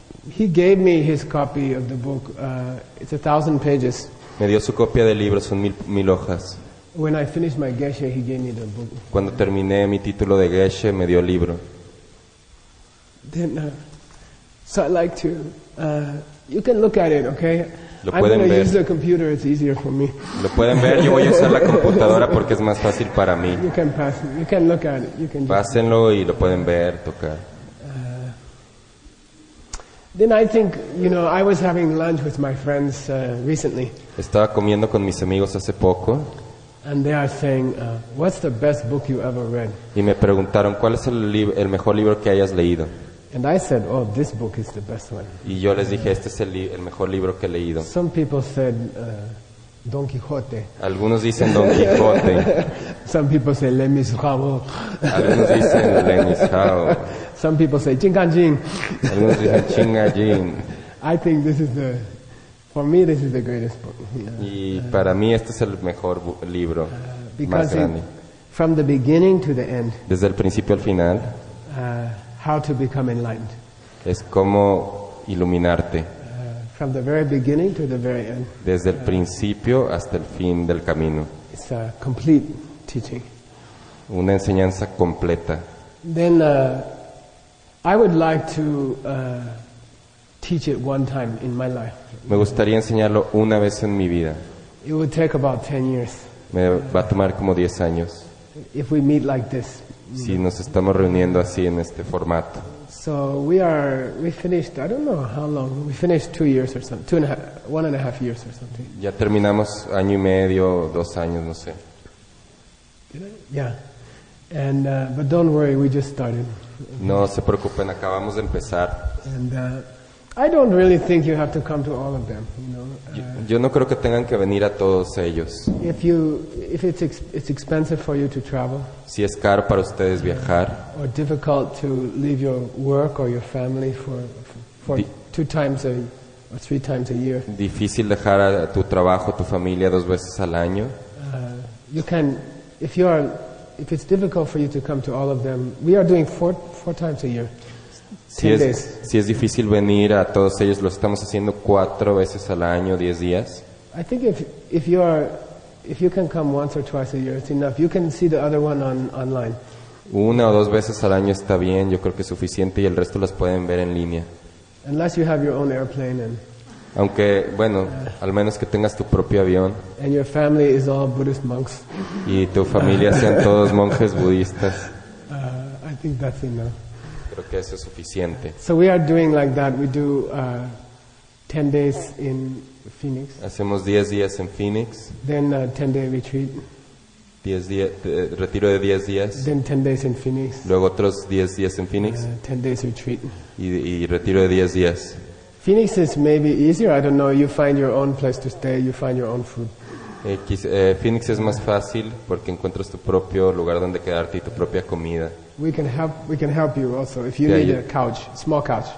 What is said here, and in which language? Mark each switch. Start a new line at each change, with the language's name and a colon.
English: He gave me his copy of the book. It's 1,000 pages.
Spanish: Me dio su copia del libro, son mil hojas.
English: When I finished my geshe, he gave me the book.
Spanish: Cuando terminé mi título de geshe, me dio el libro.
English: Then, so I like to. You can look at it, okay?
Spanish: Lo pueden
English: I'm going to use the computer. It's easier for me.
Spanish: Lo pueden ver. Yo voy a usar la computadora porque es más fácil para mí.
English: You can pass. You can look at it. You can.
Spanish: Pásenlo y lo pueden ver, tocar.
English: Then I think, you know, I was having lunch with my friends recently.
Spanish: Estaba comiendo con mis amigos hace poco.
English: And they are saying, "What's the best book you ever read?"
Spanish: Y me preguntaron cuál es el mejor libro que hayas leído.
English: And I said, "Oh, this book is the best one."
Spanish: Y yo les dije, este es el mejor libro que he leído.
English: Some people said Don Quijote.
Spanish: Algunos dicen Don Quijote.
English: Some people say Les Misérables.
Spanish: Algunos dicen Les Misérables.
English: Some people say Ching-a-jing.
Spanish: Algunos dicen Ching-a-jing.
English: I think this is the, for me, this is the greatest book.
Spanish: Y para mí este es el mejor libro, más grande.
English: From the beginning to the end.
Spanish: Desde el principio al final.
English: How to become enlightened.
Spanish: Es cómo iluminarte.
English: From the very beginning to the very end.
Spanish: Desde el principio hasta el fin del camino.
English: It's a complete teaching.
Spanish: Una enseñanza completa.
English: Then I would like to teach it one time in my life.
Spanish: Me gustaría enseñarlo una vez en mi vida.
English: It would take about 10 years.
Spanish: Me va a tomar como 10 años.
English: If we meet like this.
Spanish: Si nos estamos reuniendo así en este formato.
English: So we finished, I don't know how long, we finished 2 years or something, 1.5 years or something.
Spanish: Ya terminamos año y medio, 2 años, no sé.
English: Yeah. And, but don't worry, we just started.
Spanish: No se preocupen, acabamos de empezar.
English: And I don't really think you have to come to all of them, you know.
Spanish: Yo no creo que tengan que venir a todos ellos.
English: If it's expensive for you to travel.
Spanish: Si es caro para ustedes viajar.
English: Or difficult to leave your work or your family for two times or three times a year.
Spanish: Difícil dejar a tu trabajo, tu familia dos veces al año.
English: You can, if it's difficult for you to come to all of them, we are doing four times a year.
Spanish: Si es difícil venir a todos ellos, lo estamos haciendo 4 veces al año, 10 días.
English: I think if you can come once or twice a year, it's enough. You can see the other one online.
Spanish: Una o dos veces al año está bien, yo creo que es suficiente, y el resto las pueden ver en línea.
English: Unless you have your own airplane and.
Spanish: Aunque, bueno, al menos que tengas tu propio avión.
English: And your family is all Buddhist monks.
Spanish: Y tu familia sean todos monjes budistas.
English: I think that's enough.
Spanish: Creo que eso es suficiente.
English: So we are doing like that. We do 10 days in Phoenix.
Spanish: Hacemos 10 días en Phoenix.
English: Then a 10-day retreat.
Spanish: Retiro de 10 días.
English: Then 10 days in Phoenix.
Spanish: Luego otros 10 días en Phoenix.
English: 10 days retreat.
Spanish: Y retiro de 10 días.
English: Phoenix is maybe easier. I don't know. You find your own place to stay. You find your own food.
Spanish: Phoenix es más fácil porque encuentras tu propio lugar donde quedarte y tu propia comida.
English: We can help you also if you need a couch, small couch.